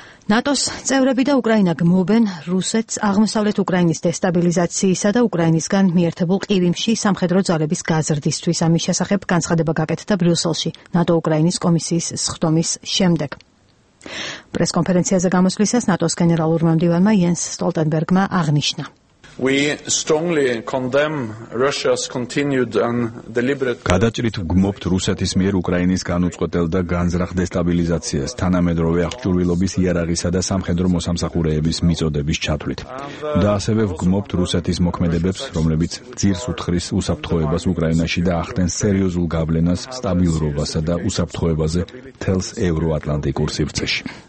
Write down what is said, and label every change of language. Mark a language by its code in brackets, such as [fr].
[ka] ნატოს წევრები და უკრაინა გმობენ რუსეთს აღმოსავლეთ უკრაინის დესტაბილიზაციისა და უკრაინისგან მიერთებულ ყირიმში სამხედრო ძალების გაზრდისთვის. ამის შესახებ განცხადება გაკეთდა ბრიუსელში ნატო უკრაინის კომისიის სხდომის შემდეგ. პრესკონფერენციაზე გამოსვლისას ნატოს გენერალურმა მდივანმა იენს სტოლტენბერგმა აღნიშნა: [en] We strongly condemn Russia's continued and deliberate. [ka] გადაჭრით გმობთ რუსეთის მიერ უკრაინის განუწყვეტელ და განზრახ დესტაბილიზაციას თანამედროვე აღჭურვილობის იარაღისა და სამხედრო მოსამსახურეების მიწოდების ჩათვლით. და ასევე ვგმობთ რუსეთის მოქმედებებს, რომლებიც ძირს უთხრის უსაფრთხოებას უკრაინაში და ახდენ სერიოზულ გავლენას სტაბილურობასა და უსაფრთხოებაზე მთელს ევროატლანტიკურ სივრცეში.